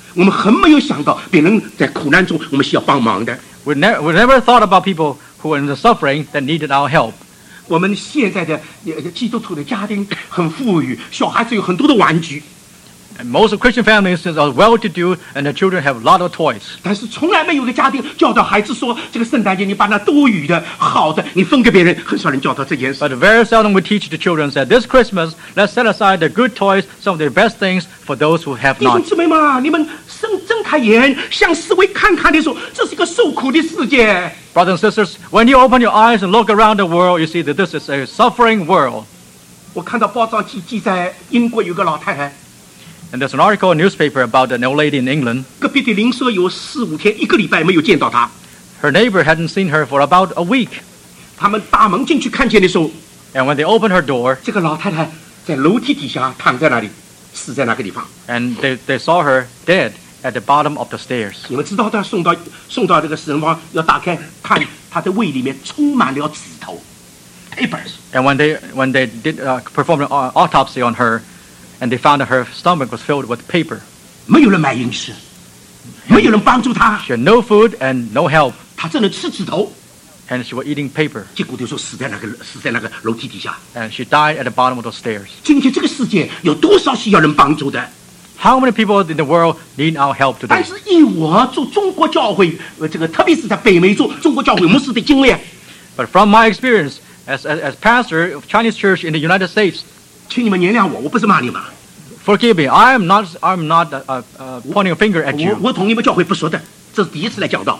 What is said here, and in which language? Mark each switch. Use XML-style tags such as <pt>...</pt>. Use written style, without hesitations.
<zh>我们很没有想到别人在苦难中我们需要帮忙的。</zh> <en>We never thought about people who were in the suffering that needed our help.</en> <zh>我们现在的基督徒的家庭很富裕，小孩子有很多的玩具。</zh> <en>And most Christian families are well-to-do, and the children have a lot of toys.</en> <zh>但是从来没有一个家庭教导孩子说，这个圣诞节你把那多余的、好的，你分给别人。很少人教导这件事。</zh> <en>But very seldom we teach the children that this Christmas, let's set aside the good toys, some of the best things for those who have not.</en> <zh>弟兄姊妹们，你们睁开眼，向四围看看的时候，这是一个受苦的世界。</zh> <en>Brothers and sisters, when you open your eyes and look around the world, you see that this is a suffering world.</en> <zh>我看到报章记载，英国有个老太太。</zh> <en>And there's an article in the newspaper about an old lady in England.</en> <zh>隔壁的邻舍有四五天，一个礼拜没有见到她。</zh> <en>Her neighbor hadn't seen her for about a week.</en> <zh>他们大门进去看见的时候</zh> <en>，And when they opened her door,</en> <zh>这个老太太在楼梯底下躺在那里，死在那个地方。</zh> <en>And they saw her dead at the bottom of the stairs.</en> <zh>你们知道她送到这个死人房，要打开看她的胃里面充满了纸头 ，papers.</zh> <en>And when they did perform an autopsy on her. And they found that her stomach was filled with paper.</en> <zh>没有人买饮食，没有人帮助她。</zh> <en>She had no food and no help.</en> <zh>她只能吃纸头。</zh> <en>And she was eating paper.</en> <zh>结果就说死在那个楼梯底下。</zh> <en>And she died at the bottom of the stairs.</en> <zh>今天这个世界有多少需要人帮助的</zh> <en>？How many people in the world need our help today?</en> <zh>但是以我做中国教会，这个特别是在北美做中国教会牧师的经验</zh> <en>，But from my experience as pastor of Chinese church in the United States.</en> <zh>请你们原谅我，我不是骂你们。</zh> <en>Forgive me, I'm not pointing a finger at you.</en> <zh>我同你们教会不熟的，这是第一次来讲道。</zh>